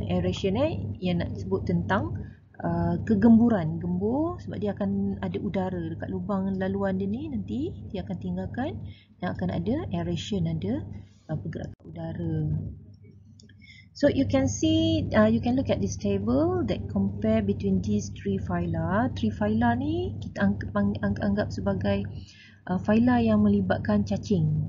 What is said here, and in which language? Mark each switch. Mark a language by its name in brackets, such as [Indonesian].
[Malay] Aeration yang nak sebut tentang kegemburan, gembur, sebab dia akan ada udara dekat lubang laluan dia ni, nanti dia akan tinggalkan yang akan ada aeration, ada pergerakan udara. [English] So you can see, you can look at this table that compare between these three phyla. [Malay] Three phyla ni kita anggap sebagai phyla yang melibatkan cacing.